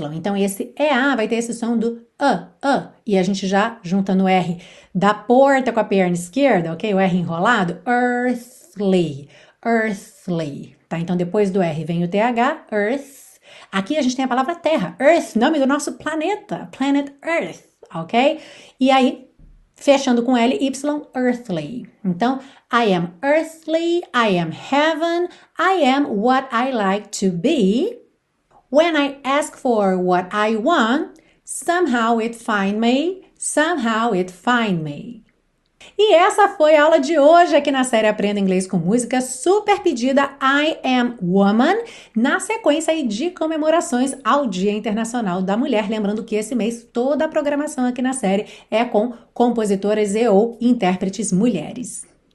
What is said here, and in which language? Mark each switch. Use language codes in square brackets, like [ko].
[pt] Então, esse E-A vai ter esse som do E a gente já junta no R da porta com a perna esquerda, ok? O R enrolado. Earthly, earthly. Tá, então depois do R vem o TH, Earth. Aqui a gente tem a palavra Terra, Earth, nome do nosso planeta, Planet Earth, ok? E aí, fechando com L, Y, Earthly. Então, [en] I am earthly, I am heaven, I am what I like to be. When I ask for what I want, somehow it find me, somehow it find me. [pt] E essa foi a aula de hoje aqui na série Aprenda Inglês com Música, super pedida I Am Woman, na sequência aí de comemorações ao Dia Internacional da Mulher. Lembrando que esse mês toda a programação aqui na série é com compositoras e ou intérpretes mulheres.